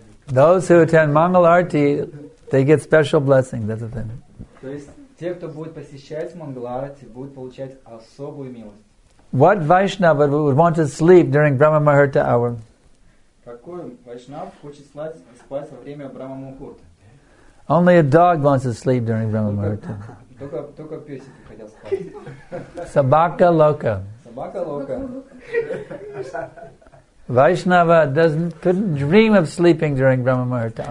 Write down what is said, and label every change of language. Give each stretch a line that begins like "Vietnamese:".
English: Those who attend Mangal Arati, they get special blessing. That's the thing.
Russian: То есть те, кто будет посещать Mangal Arati, будут получать особую милость.
English: What Vaishnava would want to sleep during Brahma Muhurta hour?
Russian: Какой Вайшнав хочет спать во время Брахма Мухурта?
English: Only a dog wants to sleep during Brahma Muhurta.
Russian: Только песик. Собака лока. Собака лока.
English: Vaishnava couldn't dream of sleeping during Brahma Muhurta.